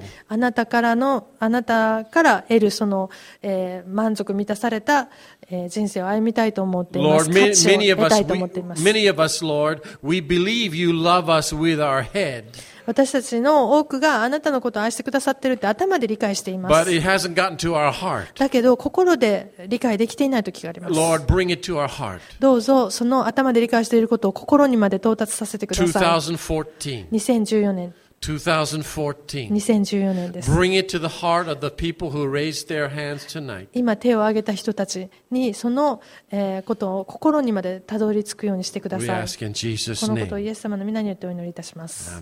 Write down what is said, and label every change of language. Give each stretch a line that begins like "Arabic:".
Japanese: あなたからのあなたから得るその、満足満たされた、人生を歩みたいと思っています。価値を得たいと思っています。
English: Many of us, Lord, we believe you love us with our head.
Japanese: 私たちの多くがあなたのことを愛してくださってるって頭で理解しています。
English: But it hasn't gotten to our heart.
Japanese: だけど心で理解できていない時があります。
English: Lord, bring it to our heart.
Japanese: どうぞその頭で理解していることを心にまで到達させてください。2014年。 2014年です。
English: Bring it to the heart of the people who raised their hands tonight.
Japanese: 今手を挙げた人たちにその、ことを心にまでたどり着くようにしてください。
English: We ask in Jesus' name.
Japanese: このことをイエス様の皆によってお祈りいたします。